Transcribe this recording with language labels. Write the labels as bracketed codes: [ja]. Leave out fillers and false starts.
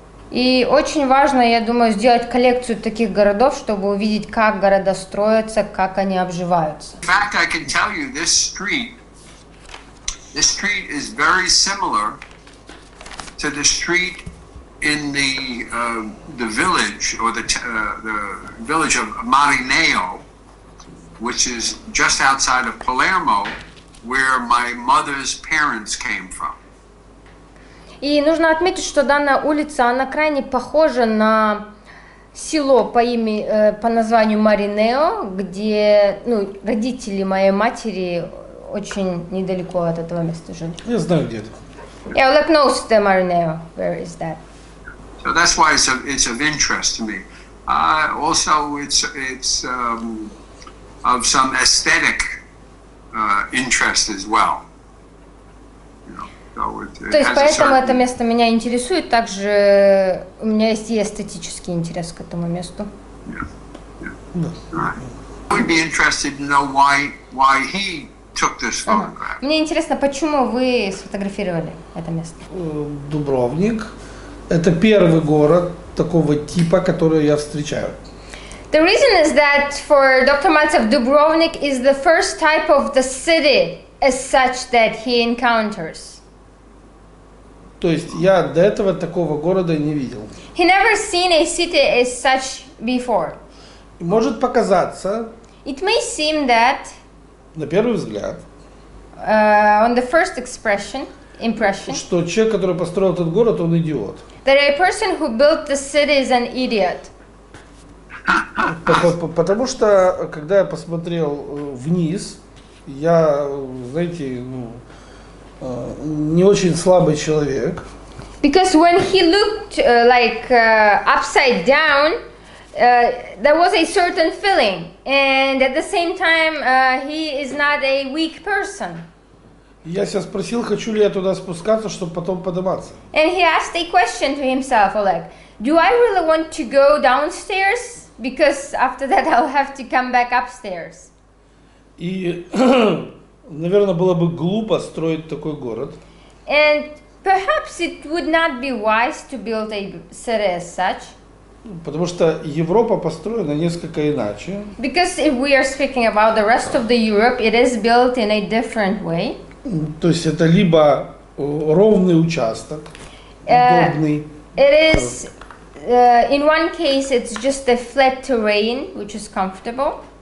[ru] И очень важно, я думаю, сделать коллекцию таких городов, чтобы увидеть, как города строятся, как они обживаются. [en] In fact, I can tell you this street is very similar to the street in the village or the village of Marineo, which is just outside of Palermo, where my mother's parents came from. [ru] И нужно отметить, что данная улица, она крайне похожа на село по названию Marineo, где, родители моей матери очень недалеко от этого места жили. Я знаю, где это. [en] Yeah, Oleg knows the Marineo. Where is that? So that's why it's of interest to me. Also, it's of some aesthetic interest as well. [ru] То есть поэтому это место меня интересует, также у меня есть и эстетический интерес к этому месту. Мне интересно, почему вы сфотографировали это место? Дубровник. Это первый город такого типа, который я встречаю. [en] The reason is that for Dr. Maltsev, Dubrovnik is the first type of the city as such that he encounters. [ru] То есть я до этого такого города не видел. [en] He never seen a city as such before. [ru] Может показаться. [en] It may seem that. [ru] На первый взгляд. [en] On the first expression. Impression. [ru] Что человек, который построил этот город, он идиот. [en] That a person who built the city is an idiot. [ru] Потому что, когда я посмотрел вниз, я, знаете, ну, не очень слабый человек. [en] Because when he looked like upside down, there was a certain feeling. And at the same time, he is not a weak person. [ru] Я себя спросил, хочу ли я туда спускаться, чтобы потом подниматься. [en] And he asked a question to himself, Oleg. Do I really want to go downstairs? Because after that I'll have to come back upstairs. [ru] И, наверное, было бы глупо строить такой город. [en] And perhaps it would not be wise to build a city as such. [ru] Потому что Европа построена несколько иначе. [en] Because if we are speaking about the rest of the Europe, it is built in a different way. [ru] То есть это либо ровный участок, удобный. [en] It is, in one case, it's just a flat terrain, which is comfortable.